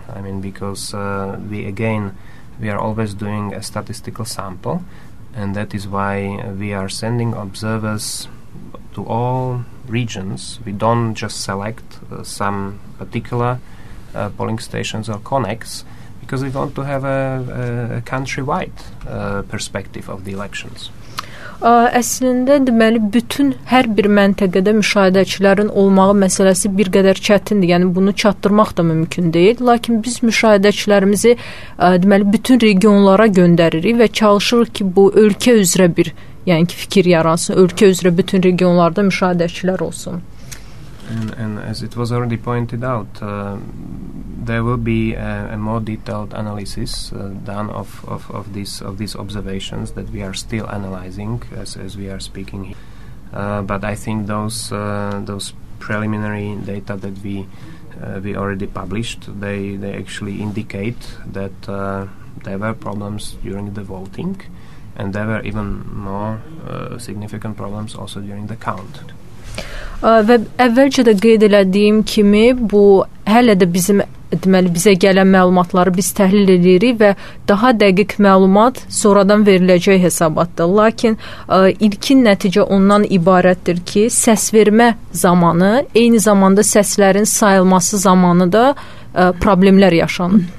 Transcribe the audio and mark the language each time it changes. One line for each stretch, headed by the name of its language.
English: I mean, because we are always doing a statistical sample, and that is why we are sending observers to all regions. We don't just select some particular polling stations or connects, because we want to have a countrywide perspective of the elections.
Azerbaijani: Əslində, deməli, bütün hər bir məntəqədə müşahidəçilərin olmağı məsələsi bir qədər çətindir. Yəni, bunu çatdırmaq da mümkün deyil. Lakin biz müşahidəçilərimizi, deməli, bütün regionlara göndəririk və çalışırıq ki, bu ölkə üzrə bir, yəni ki, fikir yaransın, ölkə üzrə bütün regionlarda müşahidəçilər olsun.
English: And as it was already pointed out, there will be a more detailed analysis done of these observations that we are still analyzing as we are speaking here. But I think those preliminary data that we already published, they actually indicate that there were problems during the voting, and there were even more significant problems also during the count.
Azerbaijani: Və əvvəlcə də qeyd elədiyim kimi, bu hələ də bizim, deməli, bizə gələn məlumatları biz təhlil edirik və daha dəqiq məlumat sonradan veriləcək hesabatdır. Lakin ilkin nəticə ondan ibarətdir ki, səs vermə zamanı, eyni zamanda səslərin sayılması zamanı da problemlər yaşanır.